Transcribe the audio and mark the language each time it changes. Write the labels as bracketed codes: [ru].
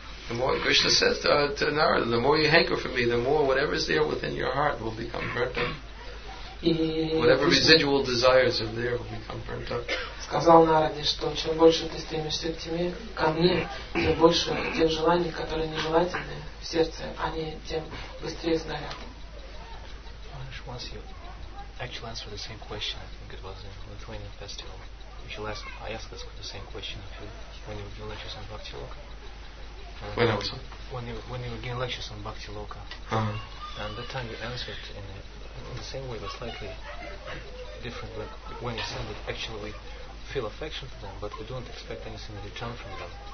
[en] The more Krishna says to Narada, the more you hanker for me, the more whatever is there within your heart will become burnt up. Whatever residual desires are there will become burnt up. [ru] Сказал Нараде, что чем больше ты стремишься к тебе, ко мне, тем больше тех желаний, которые нежелательны в сердце, они тем быстрее сгорят. [en] Once you actually answer the same question, I think it was in Lithuanian festival. I asked this the same question of you when you were doing lectures on Bhakti Loka. When you were giving lectures on Bhakti Loka. Uh-huh. And that time you answered in the same way, but slightly different, like when you said that actually we feel affection for them, but we don't expect anything in return from them.